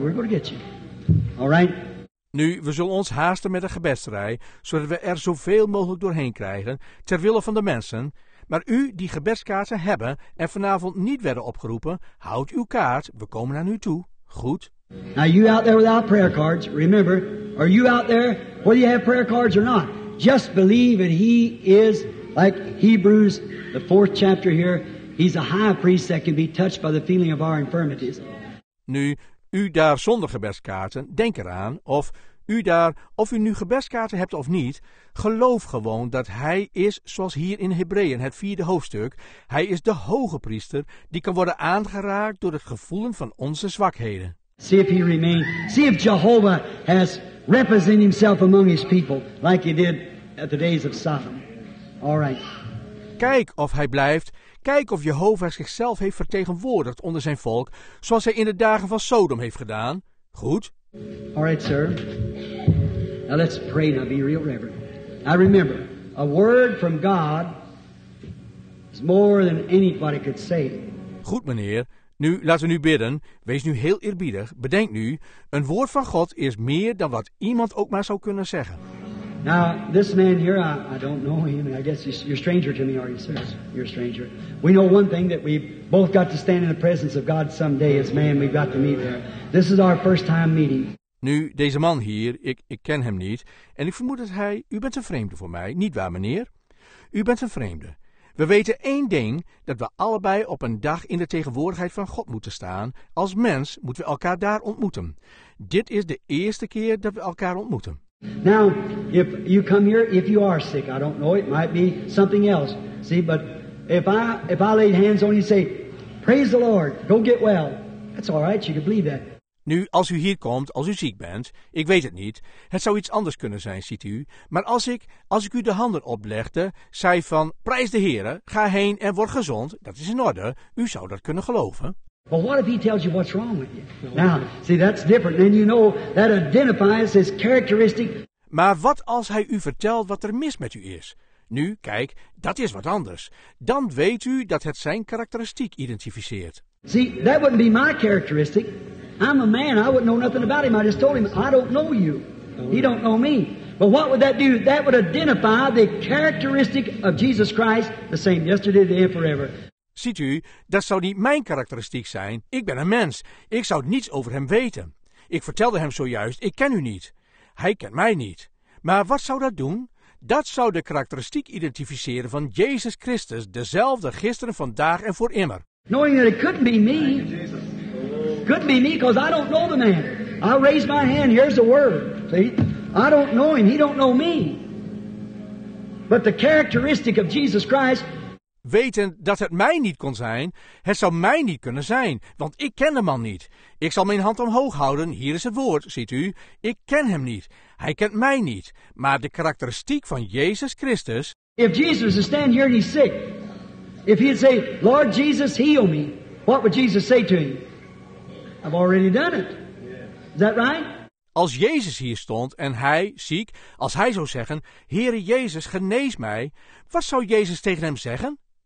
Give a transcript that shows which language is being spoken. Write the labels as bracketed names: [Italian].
[English] We're going to get you. All right? [Dutch] Nu, we zullen ons haasten met de gebedsrij, zodat we er zoveel mogelijk doorheen krijgen, ter wille van de mensen. Maar u die gebedskaarten hebben en vanavond niet werden opgeroepen, houd uw kaart. We komen naar u toe. Goed? [English] Now, you out there without prayer cards, remember, are you out there, whether you have prayer cards or not? Just believe that he is like Hebrews, the fourth chapter here. He's a high priest that can be touched by the feeling of our infirmities. [Dutch] Nu, u daar zonder gebedskaarten, denk eraan. Of U daar, of u nu gebedskaarten hebt of niet, geloof gewoon dat hij is zoals hier in Hebreeën, het vierde hoofdstuk. Hij is de hoge priester die kan worden aangeraakt door het gevoelen van onze zwakheden. [English] See if he remains. See if Jehovah has represented himself among his people like he did at the days of Sodom. All right. [Dutch] Kijk of hij blijft. Kijk of Jehovah zichzelf heeft vertegenwoordigd onder zijn volk, zoals hij in de dagen van Sodom heeft gedaan. Goed. [English] All right, sir. Now let's pray and I'll be real reverent. I remember, a word from God is more than anybody could say. [Dutch] Goed, meneer. Nu, laten we nu bidden. Wees nu heel eerbiedig. Bedenk nu, een woord van God is meer dan wat iemand ook maar zou kunnen zeggen. [English] Now, this man here, I don't know him. I guess you're a stranger to me, are you, sir? You're a stranger. We know one thing, that we've both got to stand in the presence of God someday as man. We've got to meet there. This is our first time meeting. [Dutch] Nu, deze man hier, ik ken hem niet. En ik vermoed dat hij, u bent een vreemde voor mij. Niet waar, meneer? U bent een vreemde. We weten één ding, dat we allebei op een dag in de tegenwoordigheid van God moeten staan. Als mens moeten we elkaar daar ontmoeten. Dit is de eerste keer dat we elkaar ontmoeten. [English] Now, if you come here, if you are sick, I don't know, it might be something else. See, but if I lay hands on you, say, praise the Lord, go get well. That's all right, you can believe that. [Dutch] Nu, als u hier komt, als u ziek bent, ik weet het niet, het zou iets anders kunnen zijn, ziet u. Maar als ik u de handen oplegde, zei van, prijs de Heere, ga heen en word gezond, dat is in orde, u zou dat kunnen geloven. [English] But what if he tells you what's wrong with you? Now, see, that's different. And you know, that identifies his characteristic. [Dutch] Maar wat als hij u vertelt wat er mis met u is? Nu, kijk, dat is wat anders. Dan weet u dat het zijn karakteristiek identificeert. [English] See, that wouldn't be my characteristic. I'm a man, I wouldn't know nothing about him. I just told him, I don't know you. He don't know me. But what would that do? That would identify the characteristic of Jesus Christ, the same yesterday, today, and forever. [Dutch] Ziet u, dat zou niet mijn karakteristiek zijn. Ik ben een mens. Ik zou niets over hem weten. Ik vertelde hem zojuist, ik ken u niet. Hij kent mij niet. Maar wat zou dat doen? Dat zou de karakteristiek identificeren van Jezus Christus, dezelfde gisteren, vandaag en voor immer. [English] Knowing that it couldn't be me. Couldn't be me, because I don't know the man. I raise my hand, here's the word. See? I don't know him, he don't know me. But the characteristic of Jesus Christ. [Dutch] Wetend dat het mij niet kon zijn, het zou mij niet kunnen zijn, want ik ken de man niet. Ik zal mijn hand omhoog houden, hier is het woord, ziet u. Ik ken hem niet, hij kent mij niet, maar de karakteristiek van Jezus Christus. [English] If Jesus would stand here and he's sick, if he'd say, Lord Jesus, heal me, what would Jesus say to him? I've already done it. Is that right? [Dutch] Als Jezus hier stond en hij, ziek, als hij zou zeggen, Heere Jezus, genees mij, wat zou Jezus tegen hem zeggen?